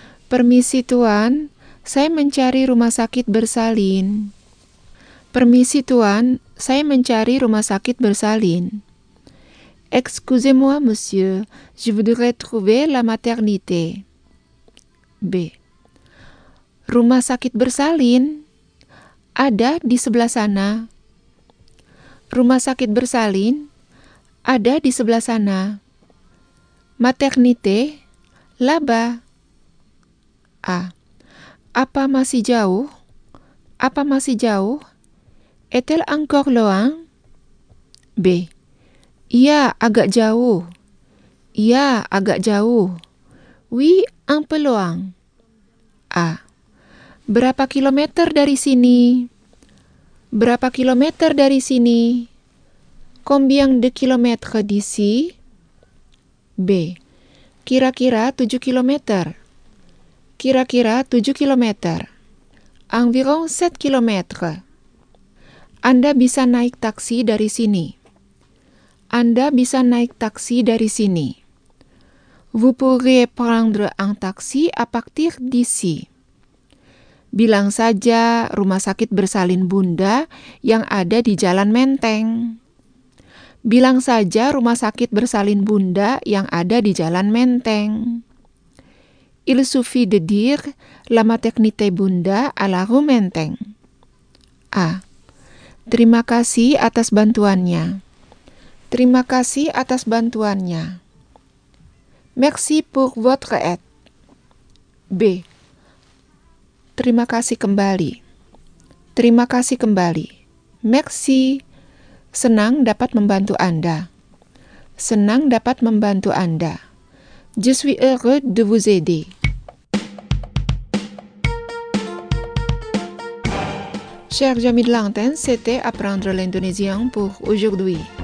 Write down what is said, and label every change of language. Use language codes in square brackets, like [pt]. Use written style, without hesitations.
[id] Permisi tuan, saya mencari rumah sakit bersalin. Permisi tuan, saya mencari rumah sakit bersalin. [fr] Excusez-moi monsieur, je voudrais trouver la maternité. B. [id] Rumah sakit bersalin ada di sebelah sana. Rumah sakit bersalin ada di sebelah sana. [fr] Maternité, là-bas. A. [id] Apa masih jauh? Apa masih jauh? [fr] Est-elle encore loin? B. [id] Iya, agak jauh. Iya, agak jauh. [fr] Oui, un peu loin. A. [id] Berapa kilometer dari sini? Berapa kilometer dari sini? [fr] Combien de kilomètres d'ici? [id] B. Kira-kira 7 kilomètres. Kira-kira 7 kilomètres. [fr] Environ 7 kilomètres. [id] Anda bisa naik taksi dari sini. Anda bisa naik taksi dari sini. [fr] Vous pourriez prendre un taxi à partir d'ici. [id] Bilang saja rumah sakit bersalin bunda yang ada di Jalan Menteng. Bilang saja rumah sakit bersalin bunda yang ada di Jalan Menteng. [fr] Il suffit de dire la maternité bunda à la rue Menteng. A. [id] Terima kasih atas bantuannya. Terima kasih atas bantuannya. [fr] Merci pour votre aide. B. [id] Terima kasih kembali. Terima kasih kembali. [fr] Merci. [id] Senang dapat membantu Anda. Senang dapat membantu Anda. [fr] Je suis heureux de vous aider. Chers amis de l'antenne, c'était Apprendre l'indonésien pour aujourd'hui.